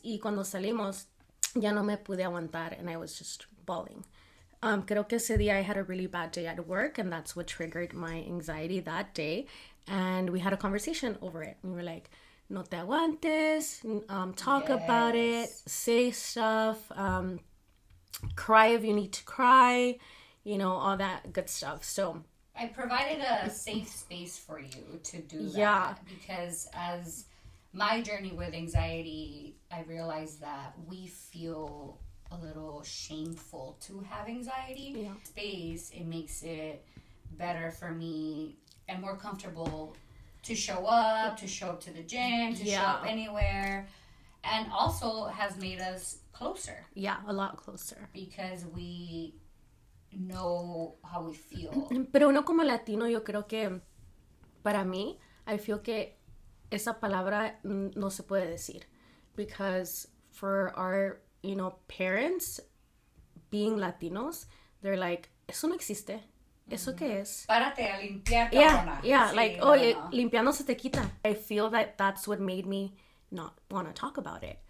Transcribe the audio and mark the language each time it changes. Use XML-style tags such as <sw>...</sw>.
<es>Y cuando salimos, ya no me pude aguantar.</es> <en>And I was just bawling.</en> <es>Creo que ese día</es> <en>I had a really bad day at work. And that's what triggered my anxiety that day. And we had a conversation over it. And we were like,</en> <es>no te aguantes.</es> <en>Talk about it. Say stuff. Cry if you need to cry. You know, all that good stuff. So I provided a safe space for you to do that. Yeah. Because as my journey with anxiety, I realized that we feel a little shameful to have anxiety. Yeah. Space, it makes it better for me and more comfortable to show up, to show up to the gym, to show up anywhere. And also has made us closer. Yeah, a lot closer. Because we know how we feel.</en> <es>Pero uno como latino, yo creo que para mí,</es> <en>I feel</en> <es>que esa palabra no se puede decir.</es> <en>Because for our, you know, parents being Latinos, they're like,</en> <es>eso no existe. ¿Eso qué es? Párate a limpiar. Yeah, limpiando se te quita.</es> <en>I feel that that's what made me not want to talk about it.</en>